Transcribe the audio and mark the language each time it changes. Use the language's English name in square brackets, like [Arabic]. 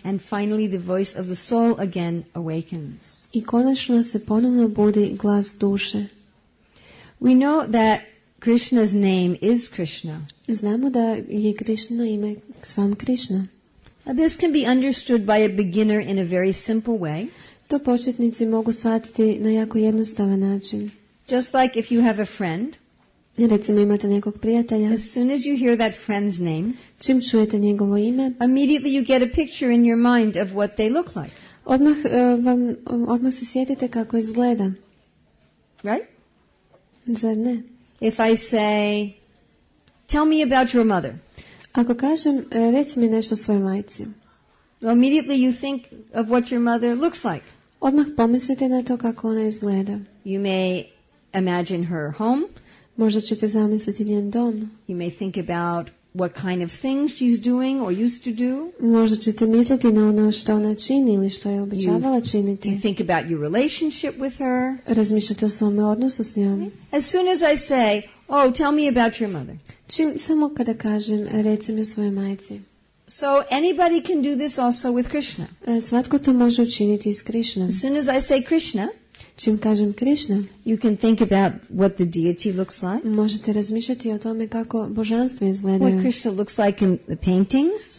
[English] And finally the voice of the soul again awakens. [Croatian] I konačno se ponovno budi glas duše. [English] We know that Krishna's name is Krishna. [Croatian] Znamo da je Krishna ime sam Krishna. [English] Now this can be understood by a beginner in a very simple way. [Croatian] To početnici mogu shvatiti na jako jednostavan način. [English] Just like if you have a friend, [Croatian] recimo imate nekog prijatelja, [English] as soon as you hear that friend's name, [Croatian] čim čujete njegovo ime, [English] immediately you get a picture in your mind of what they look like. [Croatian] Odmah se sjetite kako izgleda. [English] Right? [Croatian] Zar ne? [English] If I say, tell me about your mother. [Croatian] Ako kažem, reci mi nešto o svojoj majci. [English] Well, immediately you think of what your mother looks like. [Croatian] Odmah pomislite na to kako ona izgleda. [English] You may imagine her home. [Croatian] Možda ćete zamisliti njen dom. [English] You may think about what kind of things she's doing or used to do. [Croatian] Možda ćete misliti na ono što ona čini ili što je običavala činiti. [English] You think about your relationship with her. [Croatian] Razmišljate o svom odnosu s njom. [English] As soon as I say, oh, tell me about your mother. [Croatian] Čim samo kada kažem, reci mi o svojoj majci. [English] So anybody can do this also with Krishna. [Croatian] Svatko to može učiniti s Krishnom. [English] As soon as I say Krishna, [Croatian] čim kažem Krishna, [English] you can think about what the deity looks like. [Croatian] Možete razmišljati o tome kako božanstvo izgleda. [English] What Krishna looks like in the paintings.